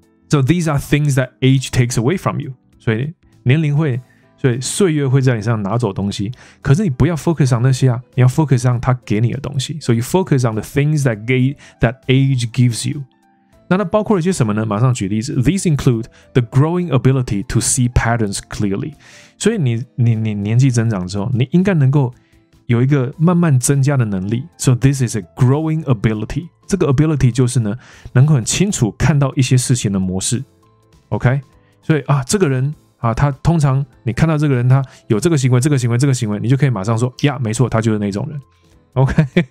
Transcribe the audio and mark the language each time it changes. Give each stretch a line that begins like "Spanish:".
English: So these are things that age takes away from you.
Chinese: 所以年龄会，所以岁月会在你身上拿走东西。可是你不要
English: focus on
Chinese: 那些啊，你要 focus on 它给你的东西。
English: So you focus on the things that age gives you.
Chinese: 那它包括了些什么呢？马上举例子。
English: These include the growing ability to see patterns clearly.
Chinese: 所以你年纪增长之后，你应该能够有一个慢慢增加的能力。
English: So this is a growing ability.
Chinese: 这个 ability 就是呢，能够很清楚看到一些事情的模式 ，OK？所以啊，这个人啊，他通常你看到这个人，他有这个行为、这个行为、这个行为，你就可以马上说呀，没错，他就是那种人 ，OK？